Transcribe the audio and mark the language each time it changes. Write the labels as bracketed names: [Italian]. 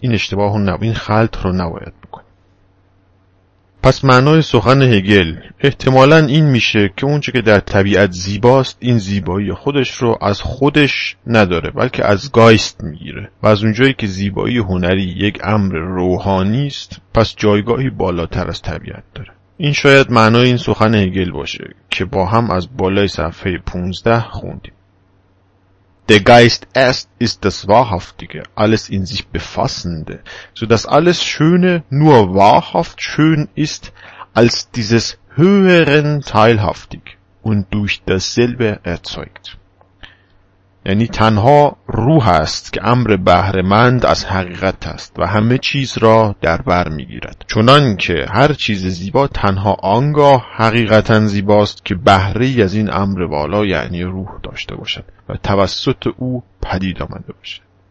[Persian] این اشتباه رو این خلط رو نباید. پس معنای سخن هگل احتمالاً این میشه که اونچه که در طبیعت زیباست این زیبایی خودش رو از خودش نداره بلکه از گایست میگیره، و از اونجایی که زیبایی هنری یک امر روحانی است پس جایگاهی بالاتر از طبیعت داره. این شاید معنای این سخن هگل باشه که با هم از بالای صفحه 15 خوندیم. [German] Der Geist erst ist das Wahrhaftige, alles in sich befassende, so dass alles Schöne nur wahrhaft schön ist als dieses Höheren teilhaftig und durch dasselbe erzeugt. [Persian] یعنی تنها روح است که امر بهره‌مند از حقیقت است و همه چیز را در بر می‌گیرد، چنان که هر چیز زیبا تنها آنگاه حقیقتاً زیباست که بهره‌ای از این امر والا یعنی روح داشته باشد و توسط او پدید آمده باشد.